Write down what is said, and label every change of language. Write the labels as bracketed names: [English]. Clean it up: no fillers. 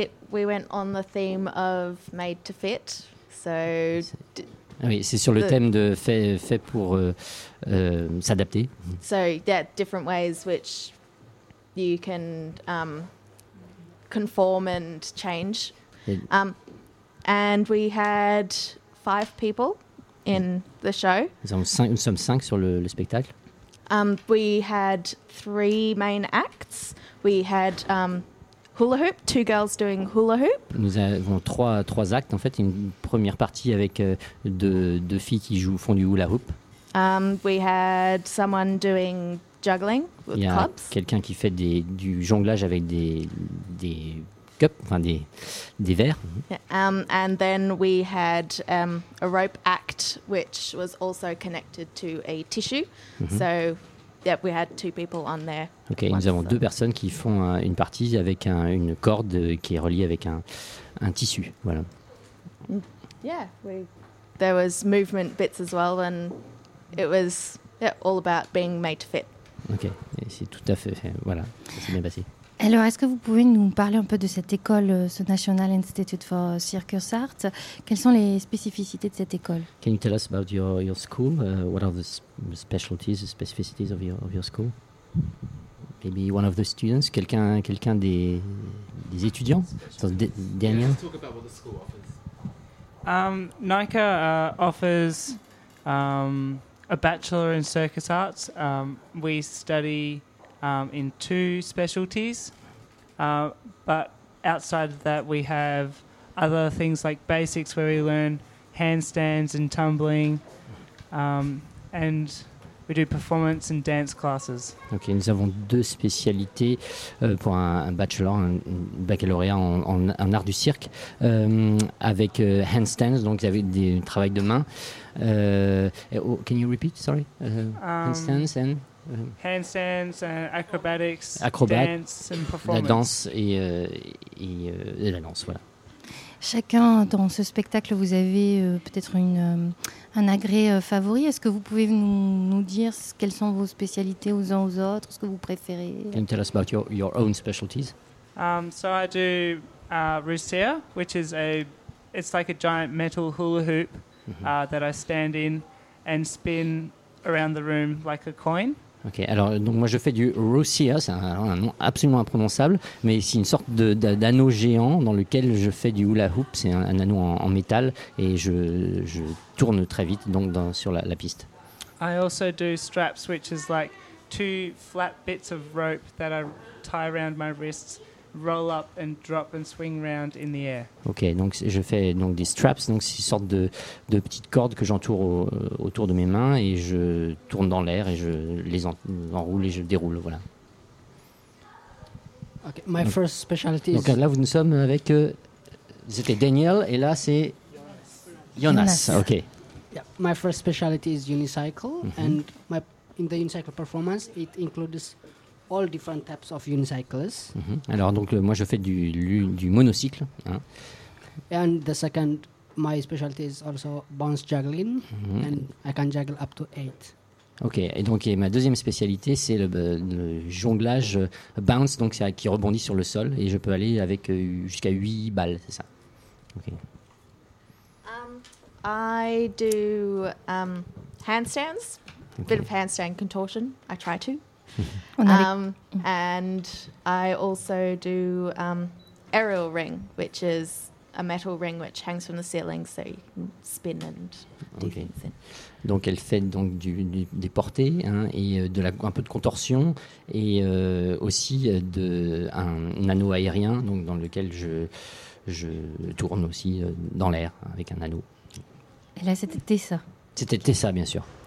[English] We went on the theme of made to fit, so. [French] Oui, c'est sur le thème de fait pour s'adapter. [English] So there are different ways which you can conform and change. And we had 5 people in the show. [French] Nous sommes cinq sur le spectacle. [English] We had 3 main acts. We had. Hula hoop, 2 girls doing hula hoop. [French] Nous avons trois actes en fait, une première partie avec deux filles qui font du hula hoop. [English] We had someone doing juggling with [French] Il y a quelqu'un qui fait du jonglage avec des cups, enfin des verres. [English] Yeah. And then we had a rope act which was also connected to a tissue. Mm-hmm. So yep, we had 2 people on there. [French] Okay, nous avons 2 personnes qui font une partie avec une corde qui est reliée avec un tissu. Voilà. [English] Yeah, there was movement bits as well, and it was all about being made to fit. [French] Okay, et c'est tout à fait voilà, ça s'est bien passé. Alors, est-ce que vous pouvez nous parler un peu de cette école, ce National Institute for Circus Arts? Quelles sont les spécificités de cette école? [English] Can you tell us about your school? What are the specialties, the specificities of your school? Maybe one of the students, [French] quelqu'un des étudiants? [English] Daniel? Let's talk about what the school offers. NICA offers a Bachelor in Circus Arts. We study in 2 specialties. But outside of that, we have other things like basics where we learn handstands and tumbling, and we do performance and dance classes. [French] Ok, nous avons deux spécialités pour un bachelor, un baccalauréat en art du cirque, avec handstands, donc avec des travail de main. [English] Can you repeat, sorry? Handstands and... Handstands and acrobatics, dance and performance. [French] La danse et la danse, voilà. Chacun dans ce spectacle, vous avez peut-être un agrès favori. Est-ce que vous pouvez nous dire quelles sont vos spécialités aux uns aux autres, ce que vous préférez? [English] Can you tell us about your own specialties? So I do rousseau, which is it's like a giant metal hula hoop that I stand in and spin around the room like a coin. [French] Ok, alors donc moi je fais du rousseau, c'est un nom absolument imprononçable, mais c'est une sorte d'anneau géant dans lequel je fais du hula hoop, c'est un anneau en métal, et je tourne très vite donc sur la piste. [English] I also do straps, which is like two flat bits of rope that I tie around my wrists, roll up and drop and swing round in the air. [French] Ok, donc je fais donc des straps, donc c'est une sorte de petites cordes que j'entoure autour de mes mains et je tourne dans l'air et je les enroule et je déroule, voilà. [English] Ok, my first specialty. [French] Donc là, nous sommes avec c'était Daniel et là c'est Jonas. [English] Ok. Yeah, my first specialty is unicycle and in the unicycle performance it includes all different types of unicycles. [French] Alors donc moi je fais du monocycle, hein. [English] And the second my specialty is also bounce juggling and I can juggle up to 8. [French] OK, et donc ma deuxième spécialité c'est le jonglage bounce, donc c'est qui rebondit sur le sol et je peux aller avec jusqu'à 8 balles, c'est ça. [English] OK. I do handstands. Okay. Bit of handstand contortion. I try to. And I also do aerial ring, which is a metal ring which hangs from the ceiling, so you can spin and do things in. [French] Donc elle fait donc des portées, hein, et un peu de contorsion et aussi de un anneau aérien, donc dans lequel je tourne aussi dans l'air avec un anneau. Et là c'était Tessa. C'était Tessa, bien sûr.